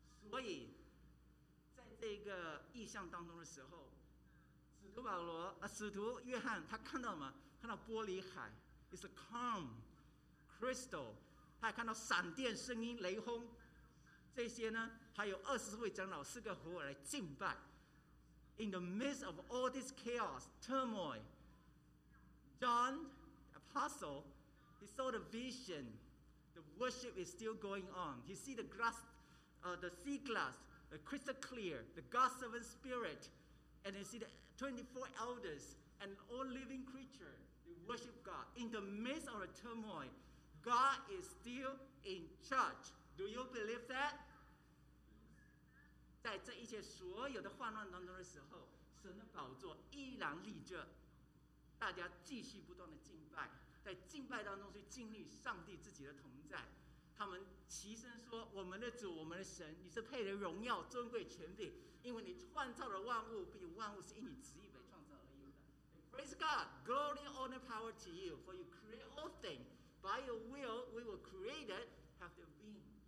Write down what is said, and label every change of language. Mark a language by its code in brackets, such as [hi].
[zh] 所以在这个意象当中的时候，使徒约翰他看到什么？看到玻璃海， [en] It's a calm crystal. [zh] 他还看到闪电声音、雷轰，这些呢，还有24位长老、4个合伙来敬拜。 [en] In the midst of all this chaos, turmoil, John, apostle, he saw the vision. The worship is still going on. He see the glass, the sea glass, the crystal clear, the God's servant spirit, and he see the 24 elders and all living creatures. They worship God. In the midst of the turmoil, God is still in charge. Do you believe that? [zh] 在这一切所有的患难当中的时候，神的宝座依然立着，大家继续不断的敬拜，在敬拜当中去经历上帝自己的同在。他们齐声说，我们的主，我们的神，你是配得荣耀尊贵权柄，因为你创造了万物，并万物是因你旨意被创造而有的。 [en] Praise God, glory and power to you, for you create all things by your will we were created have the being.